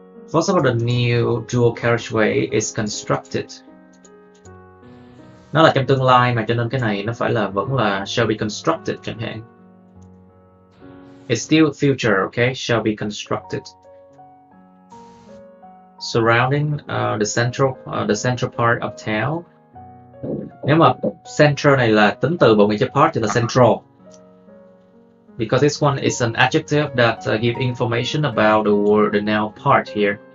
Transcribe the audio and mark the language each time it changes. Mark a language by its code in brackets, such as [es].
[en] First of all, the new dual carriageway is constructed. [vi] Nó là trong tương lai mà, cho nên cái này nó phải là vẫn là [en] shall be constructed [vi] chẳng hạn. [en] It's still future, okay? Shall be constructed. surrounding the central part of town. [vi] Nếu mà central này là tính từ bộ nghĩa cho part thì là central. [en] Because this one is an adjective that give information about the word, the noun part here.